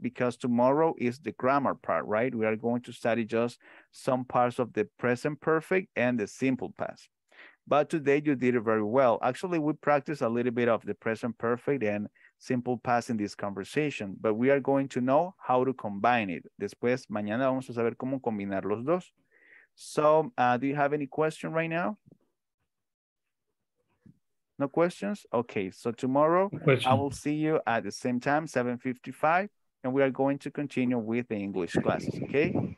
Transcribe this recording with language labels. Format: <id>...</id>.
<en>Because tomorrow is the grammar part, right? We are going to study just some parts of the present perfect and the simple past. But today you did it very well. Actually, we practiced a little bit of the present perfect and simple past in this conversation, but we are going to know how to combine it.</en> <es>Después, mañana vamos a saber cómo combinar los dos.</es> <en>So, do you have any question right now? No questions? Okay, so tomorrow I will see you at the same time, 7:55, and we are going to continue with the English classes, okay?</en>